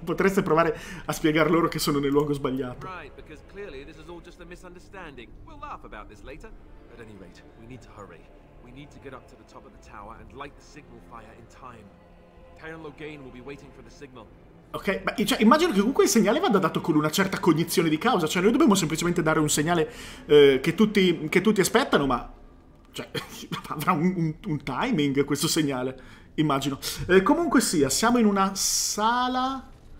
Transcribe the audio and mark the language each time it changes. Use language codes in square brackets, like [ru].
[it] Potreste provare a spiegar loro che sono nel luogo sbagliato. [en] Right, because clearly this is all just a misunderstanding. We'll laugh about this later. At any rate, we need to hurry. We need to get up to the top of the tower and light the signal fire in time. Taryn Loghain will be waiting for the signal. [it] Ok, ma cioè, immagino che comunque il segnale vada dato con una certa cognizione di causa. Cioè, noi dobbiamo semplicemente dare un segnale che tutti aspettano, ma... Cioè, avrà un timing questo segnale, immagino. Comunque sia, siamo in una sala...